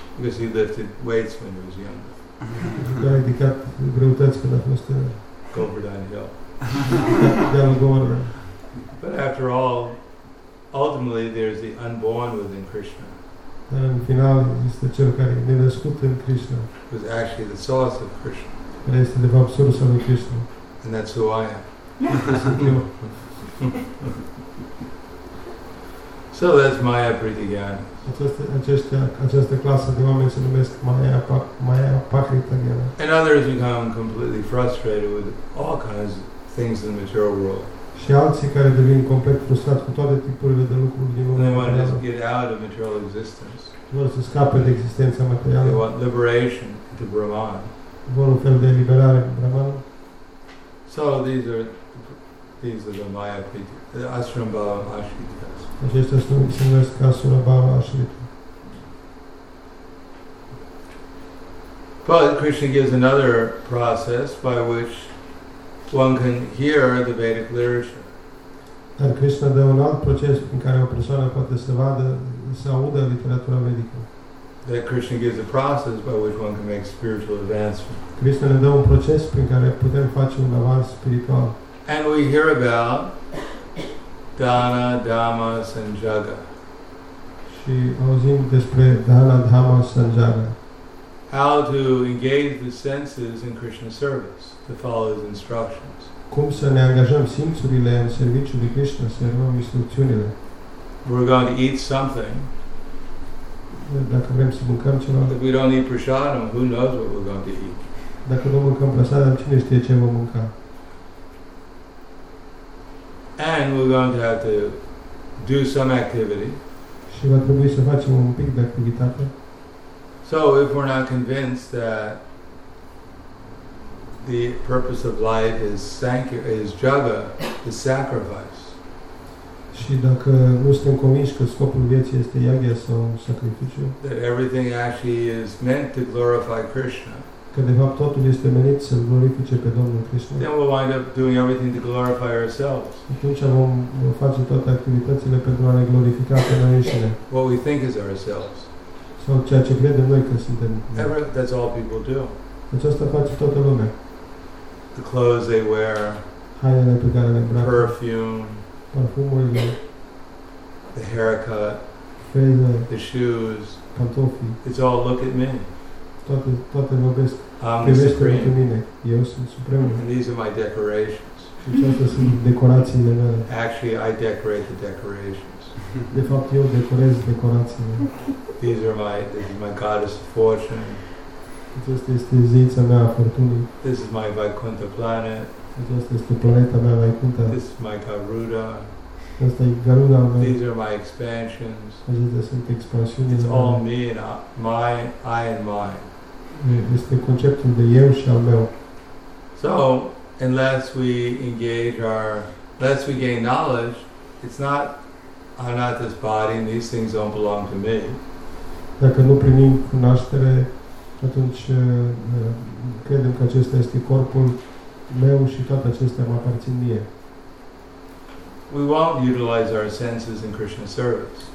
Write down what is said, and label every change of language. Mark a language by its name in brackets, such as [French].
[English] Because he lifted weights when he was younger. [Romanian] Că a ridicat greutăți când a fost tânăr. [English] Govardhan Hill. Down Govardhan. But after all, ultimately there's the unborn within Krishna. [Romanian] Dar în final este cel care e nenăscut în Krishna. [English] Who is actually the source of Krishna. [Romanian] Care este de fapt sursa lui Krishna. [English] And that's who I am. So that's Maya Pritigyani. [Romanian] Această clasă de oameni se numesc Maya Pritigyani. [English] And others become completely frustrated with all kinds of things in the material world. [Romanian] Și alții care devin complet frustrați cu toate tipurile de lucruri din lumea. [English] They want to just get out of material existence. [Romanian] Vor să scape de existența materială. [English] They want liberation to Brahman. [Romanian] Vor un fel de eliberare cu Brahman. [English] So these are the Maya Pritigyani. The Ashram Bhava Ashrita. [Romanian] Acestea sunt numesc Ashram Bhava Ashrita. [English] But Krishna gives another process by which one can hear the Vedic literature. [Romanian] Dar Krishna dă un alt proces prin care o persoană poate să vadă, să audă literatura vedică. [English] That Krishna gives a process by which one can make spiritual advancement. [Romanian] Krishna ne dă un proces prin care putem face un avans spiritual. [English] And we hear about Dana, Dhamma, Sanjaga. [Romanian] Și auzim despre Dana, Dhamma, Sanjaga. [English] How to engage the senses in Krishna's service, to follow his instructions. [Romanian] Cum să ne angajăm simțurile în serviciul lui Krishna, să urmăm instrucțiunile. [English] We're going to eat something. [Romanian] Dacă vrem să mâncăm ceva. [English] If we don't eat prasadam, who knows what we're going to eat. [Romanian] Dacă nu mâncăm prasadam, cine știe ce vom mânca. [English] And we're going to have to do some activity. [Romanian] Și va trebui să facem un pic de activitate. [English] So if we're not convinced that the purpose of life is jaga, is sacrifice. [Romanian] Și dacă nu suntem convinși că scopul vieții este yagya sau sacrificiu. [English] That everything actually is meant to glorify Krishna. [Romanian] Că de fapt totul este menit să glorifice pe Domnul Krishna. [English] Then we'll wind up doing everything to glorify ourselves. [Romanian] Atunci vom face toate activitățile pentru a ne glorifica pe noi înșine. [English] What we think is ourselves. [Romanian] Sau ceea ce credem noi că suntem. [English] That's all people do. [Romanian] Aceasta face toată lumea. [English] The clothes they wear. [Romanian] Hainele pe care le îmbracă. [English] Perfume. [Romanian] Parfumurile. [English] The haircut. [Romanian] Fezele. [English] The shoes. [Romanian] Pantofii. [English] It's all look at me. [Romanian] Toate vorbesc, privește-mă pe mine, eu sunt supremul. [English] And these are my decorations. [Romanian] Și acestea sunt decorațiile mele. [English] Actually, I decorate the decorations. [Romanian] De fapt eu decorez decorațiile. [English] These are my goddess of fortune. [Romanian] Aceasta este zeița mea a fortunii. [English] This is my Vaikuntha planet. [Romanian] Aceasta este planeta mea Vaikuntha. [English] This is my Garuda. [Romanian] Asta e Garuda mea. [English] These are my expansions. [Romanian] Acestea sunt expansiunile. [English] It's all me and my, I and mine. [Romanian] Este conceptul de eu și al meu. [English] So, unless we engage our, unless we gain knowledge, it's not, I'm not this body and these things don't belong to me. [Romanian] Dacă nu primim cunoaștere, atunci credem că acesta este corpul meu și toate acestea mă aparțin mie. [English] We won't utilize our senses in Krishna service.